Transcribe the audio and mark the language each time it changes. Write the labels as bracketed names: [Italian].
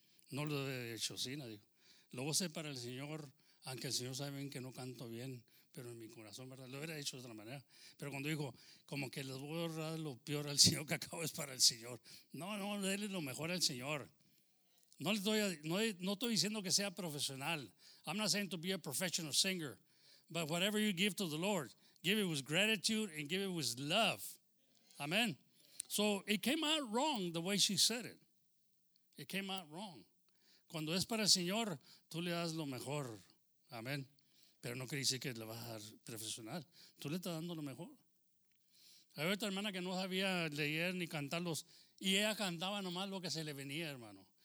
[Spanish] No lo he hecho así, no, digo. Luego sé para el Señor. Aunque el Señor sabe bien que no canto bien, pero en mi corazón, ¿verdad? Lo hubiera dicho de otra manera. Pero cuando dijo, como que les voy a ahorrar lo peor al Señor, que acabo es para el Señor. No, no, déle lo mejor al Señor. No, le doy, no estoy diciendo que sea profesional. [English] I'm not saying to be a professional singer. But whatever you give to the Lord, give it with gratitude and give it with love. Amen. So it came out wrong the way she said it. It came out wrong. [Spanish] Cuando es para el Señor, tú le das lo mejor. Amén. Pero no quiere decir que le vas a dar profesional. Tú le estás dando lo mejor. Hay otra hermana que no sabía leer ni cantarlos. Y ella cantaba nomás lo que se le venía, hermano.